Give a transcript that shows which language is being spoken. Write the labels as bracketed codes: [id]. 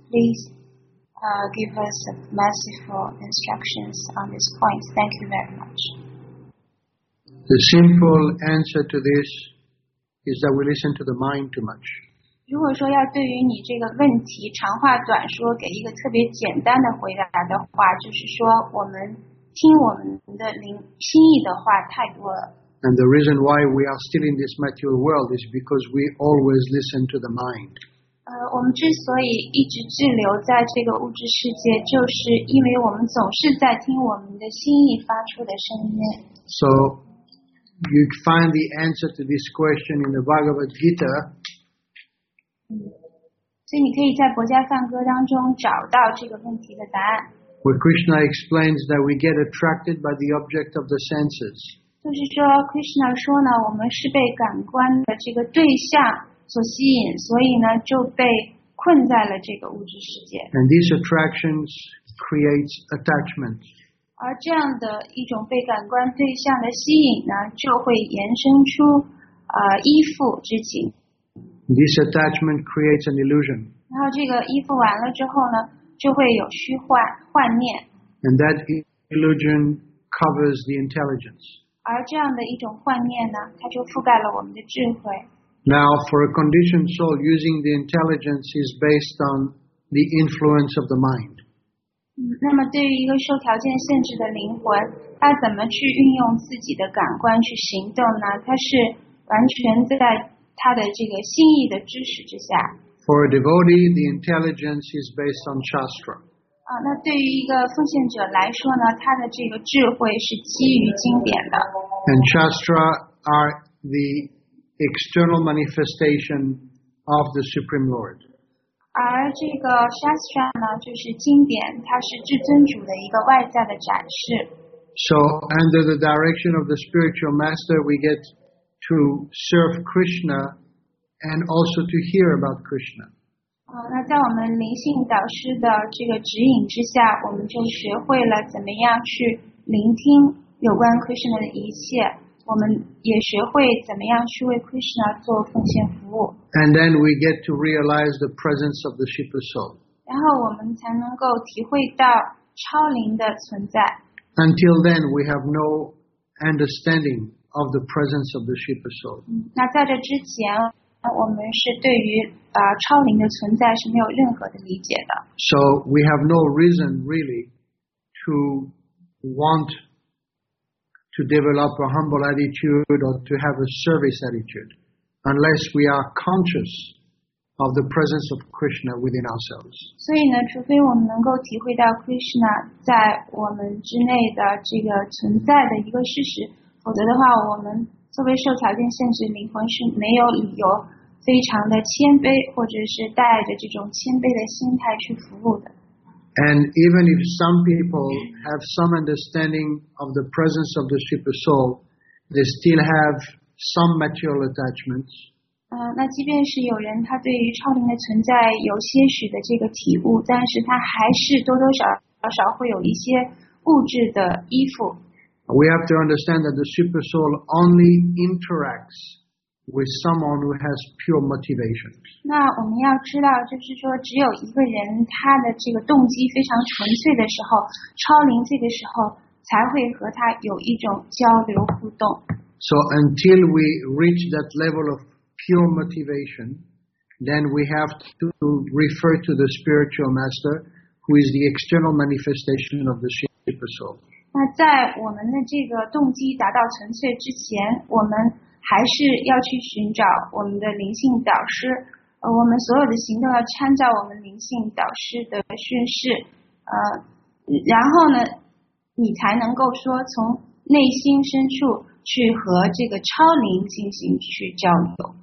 [en] Please give us a merciful instructions on this point. Thank you very much. The simple answer to this is that we listen to the mind too much. [zh] 如果说要对于你这个问题长话短说给一个特别简单的回答的话，就是说我们听我们的灵心意的话太多了。 [en] And the reason why we are still in this material world is because we always listen to the mind. [zh] 我们之所以一直滞留在这个物质世界，就是因为我们总是在听我们的心意发出的声音。 [en] So you find the answer to this question in the Bhagavad Gita. [zh] 所以你可以在《薄伽梵歌》当中找到这个问题的答案。 [en] Where Krishna explains that we get attracted by the object of the senses. [zh] 就是说 ，Krishna 说呢，我们是被感官的这个对象所吸引，所以呢就被困在了这个物质世界。 [en] And these attractions create attachment. [zh] 而这样的一种被感官对象的吸引呢，就会延伸出依附之情。 [en] This attachment creates an illusion. [zh] 然后这个依附完了之后呢，就会有虚幻幻念。 [en] And that illusion covers the intelligence. [zh] 而这样的一种幻念呢，它就覆盖了我们的智慧。 [en] Now, for a conditioned soul, using the intelligence is based on the influence of the mind. [zh] 那么对于一个受条件限制的灵魂，它怎么去运用自己的感官去行动呢？它是完全在它的这个心意的支持之下。 [en] For a devotee, the intelligence is based on shastra. [zh] 那对于一个奉献者来说呢，他的这个智慧是基于经典的。 [en] And shastra are the external manifestation of the Supreme Lord. [zh] 而这个 shastra 呢，就是经典，它是至尊主的一个外在的展示。 [en] So under the direction of the spiritual master, we get to serve Krishna and also to hear about Krishna. [zh] 那在我们灵性导师的这个指引之下，我们就学会了怎么样去聆听有关 Krishna 的一切，我们也学会怎么样去为 Krishna 做奉献服务。 [en] And then we get to realize the presence of the super soul. [zh] 然后我们才能够体会到超灵的存在。 [en] Until then, we have no understanding of the presence of the super soul. [zh] 那在这之前，我们是对于超灵的存在是没有任何的理解的。 [en] So we have no reason really to want to develop a humble attitude or to have a service attitude unless we are conscious of the presence of Krishna within ourselves. [zh] 所以呢，除非我们能够体会到 Krishna 在我们之内的这个存在的一个事实，否则的话，我们作为受条件限制灵魂是没有理由非常的谦卑，或者是带着这种谦卑的心态去服务的。 [en] And even if some people have some understanding of the presence of the super soul, they still have some material attachments. [zh] 那即便是有人他对于超灵的存在有些许的这个体悟，但是他还是多多少少会有一些物质的依附。 [en] We have to understand that the super soul only interacts with someone who has pure motivation. [zh] 那我们要知道，就是说，只有一个人他的这个动机非常纯粹的时候，超灵这个时候才会和他有一种交流互动。 [en] So until we reach that level of pure motivation, then we have to refer to the spiritual master, who is the external manifestation of the super soul. [zh] 那在我们的这个动机达到纯粹之前，我们还是要去寻找我们的灵性导师。我们所有的行动要参照我们灵性导师的训示。然后呢，你才能够说从内心深处去和这个超灵进行去交流。